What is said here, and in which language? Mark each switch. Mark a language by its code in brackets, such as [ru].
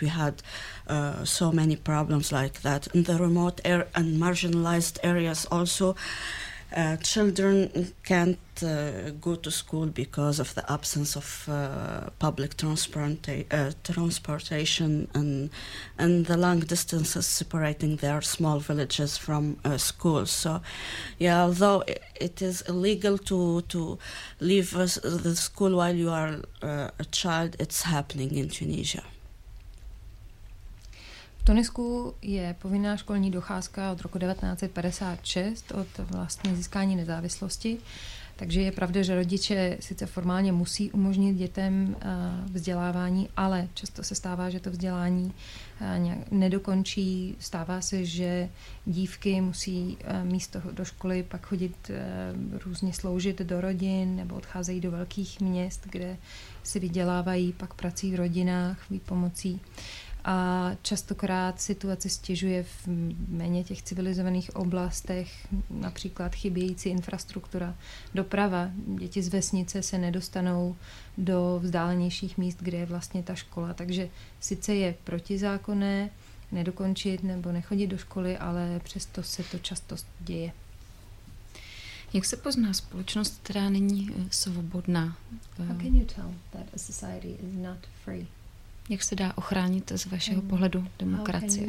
[en] We had so many problems like that. In the remote and marginalized areas also, children can't go to school because of the absence of public transportation and the long distances separating their small villages from schools. So, yeah, although it is illegal to leave the school while you are a child, it's happening in Tunisia. [cs] V Tunisku je povinná školní docházka od roku 1956, od vlastně získání nezávislosti. Takže je pravda, že rodiče sice formálně musí umožnit dětem vzdělávání, ale často se stává, že to vzdělání nějak nedokončí. Stává se, že dívky musí místo do školy pak chodit různě sloužit do rodin nebo odcházejí do velkých měst, kde si vydělávají pak prací v rodinách, výpomocí. A častokrát situace stěžuje v méně těch civilizovaných oblastech, například chybějící infrastruktura, doprava. Děti z vesnice se nedostanou do vzdálenějších míst, kde je vlastně ta škola. Takže sice je protizákonné nedokončit nebo nechodit do školy, ale přesto se to často děje. Jak se pozná společnost, která není svobodná? [en] How can you tell that a society is not free? [cs] Jak se dá ochránit z vašeho pohledu demokracie?